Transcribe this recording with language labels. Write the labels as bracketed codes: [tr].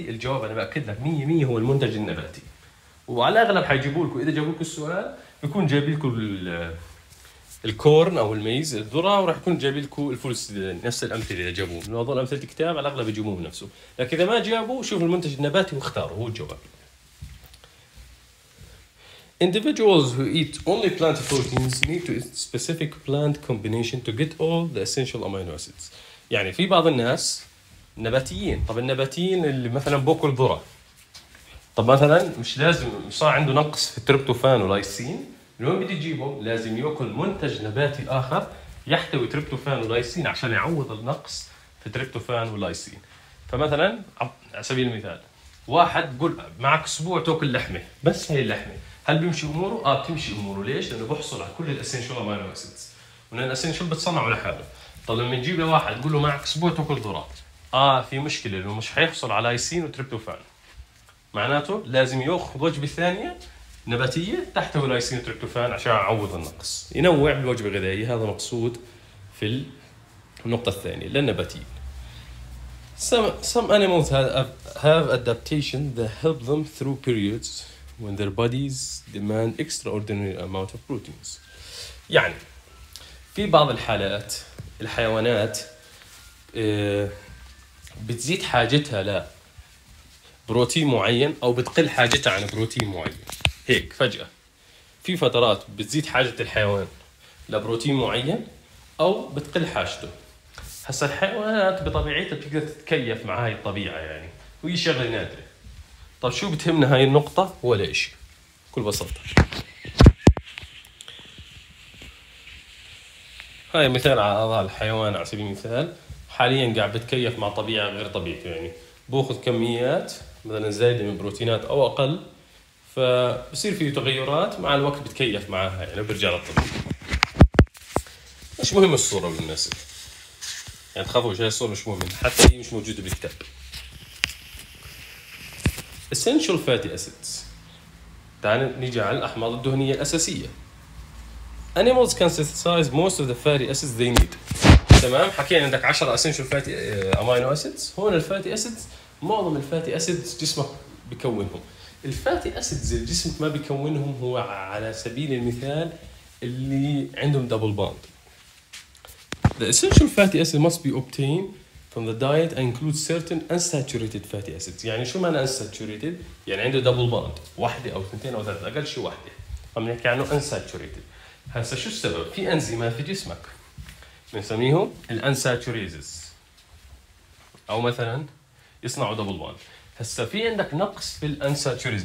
[ar] الجواب أنا بأكد لك 100% هو المنتج النباتي، وعلى الأغلب حيجيبوا لكم، إذا جابوا لكم السؤال بيكون جايب لكم الكورن أو الميز الذرة، وراح يكون جايب لكم الفول السوداني نفس الأمثلة. إذا جابوا من هذول أمثلة الكتاب على الأغلب يجيبوه من نفسه، لكن إذا ما جابوا شوف المنتج النباتي واختاره هو الجواب. [en] Individuals who eat only plant proteins need to eat specific plant combination to get all the essential amino acids. [ar] يعني في بعض الناس نباتيين، طب النباتيين اللي مثلا بوكل ذرة، طب مثلا مش لازم، صار عنده نقص في التريبتوفان ولايسين، من وين بدي يجيبه؟ لازم يأكل منتج نباتي آخر يحتوي تريبتوفان ولايسين عشان يعوض النقص في تريبتوفان ولايسين. فمثلا على سبيل المثال واحد قول معك أسبوع تأكل لحمة بس، هي اللحمة هل بيمشي أموره؟ آه بتمشي أموره. ليش؟ لأنه بحصل على كل الأسينشال أمينو أسيدز، وأن الأسينشال بتصنعه لحاله. طب لما نجيب لواحد قول له معك أسبوع تأكل ذرة، آه في مشكلة لأنه مش حيحصل على إيسين وتريبتوفان، معناته لازم يأخذ وجبة ثانية نباتية تحتوي على إيسين وتريبتوفان عشان يعوض النقص، ينوع بالوجبة الغذائية. هذا مقصود في النقطة الثانية للنباتيين. [en] Some animals have adaptation that help them through periods when their bodies demand extraordinary amount of proteins. [ar] يعني في بعض الحالات الحيوانات بتزيد حاجتها لبروتين معين أو بتقل حاجتها عن بروتين معين، هيك فجأة في فترات بتزيد حاجة الحيوان لبروتين معين أو بتقل حاجته. هسا الحيوانات بطبيعتها بتقدر تتكيف مع هاي الطبيعة يعني، وهي شغلة نادرة. طب شو بتهمنا هاي النقطة ولا إشي؟ كل بساطة هاي مثال على أعضاء الحيوان على سبيل المثال، حالياً قاعد بتكيف مع طبيعة غير طبيعية، يعني بأخذ كميات مثلاً زايدة من بروتينات أو أقل، فبصير فيه تغيرات مع الوقت بتكيف معها يعني برجع للطبيعة. مش مهم الصورة بالمناسبة، يعني تخافوا هاي الصورة مش مهمة، حتى هي مش موجودة بالكتاب. [en] Essential fatty acids، [ar] تعال نيجي على الأحماض الدهنية الأساسية. [en] Animals can synthesize most of the fatty acids they need. [ar] تمام، حكينا عندك 10 [en] essential fatty amino acids. [ar] هون الفاتي acids، معظم الفاتي acids جسمك بكونهم. الفاتي acids اللي جسمك ما بكونهم هو على سبيل المثال اللي عندهم double bond، [en] The essential fatty acid must be obtained from the diet and includes certain unsaturated fatty acids. [ar] يعني شو معنى unsaturated؟ يعني عنده double bond. واحدة أو اثنتين أو ثلاثة. أقل شيء واحدة. عم نحكي عنه unsaturated. هسا شو السبب؟ في أنزيمات في جسمك. بنسميهم الانساتوريزس. أو مثلا يصنعوا double bond. هسا في عندك نقص في الانساتوريز.